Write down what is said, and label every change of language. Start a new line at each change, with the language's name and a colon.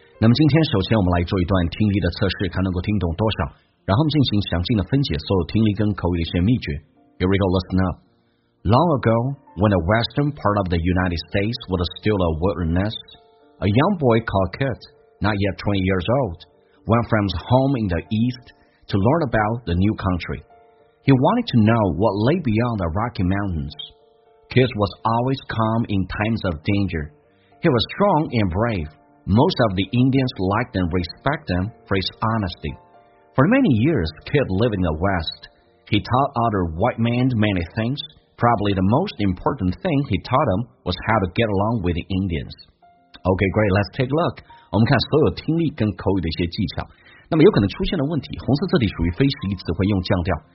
Chinese: 那么今天首先我们来做一段听力的测试，看能够听懂多少，然后进行详尽的分解所有听力跟口语的一些秘诀。
English: Here we go, listen up. Long ago, when the western part of the United States was still a wilderness, a young boy called Kit, not yet 20 years old, went from his home in the east to learn about the new country. He wanted to know what lay beyond the Rocky Mountains. Kit was always calm in times of danger. He was strong and brave. Most of the Indians liked and respected him for his honesty. For many years, Kit lived in the West. He taught other white men many things. Probably the most important thing he taught them was how to get along with the Indians. Okay, great, let's take a look.
Chinese: 我们看所有听力跟口语的一些技巧。那么有可能出现的问题，红色字体属于非实义词汇，用降调。